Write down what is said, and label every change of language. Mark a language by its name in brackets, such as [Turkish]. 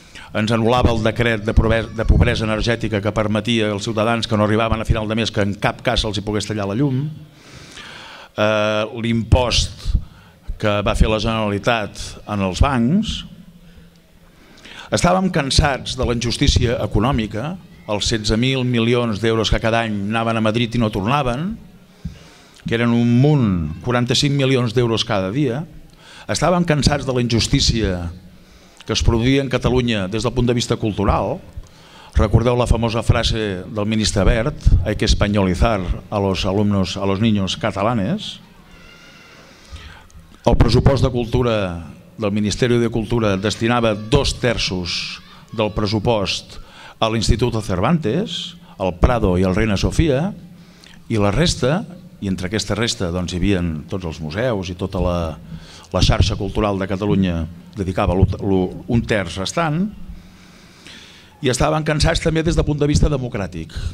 [Catalan] ens anul·lava el decret de pobresa energètica que permetia als ciutadans que no arribaven a final de mes que en cap cas els hi pogués tallar la llum, l'impost que va fer la Generalitat en els bancs. Estàvem cansats de la injustícia econòmica, els 16.000 milions d'euros que cada any anaven a Madrid i no tornaven, que eren un munt, 45 milions d'euros cada dia, estaven cansats de la injustícia que es produïa en Catalunya des del punt de vista cultural. Recordeu la famosa frase del ministre Wert, [Spanish] hay que españolizar a los alumnos, a los niños catalanes. [Catalan] El pressupost de cultura del Ministeri de Cultura destinava 2/3 del pressupost a l'Institut Cervantes, al Prado i al Reina Sofia, i la resta, i entre aquesta resta doncs, hi havia tots els museus i tota la xarxa cultural de Catalunya dedicava un terç restant, i estaven cansats també des del punt de vista democràtic.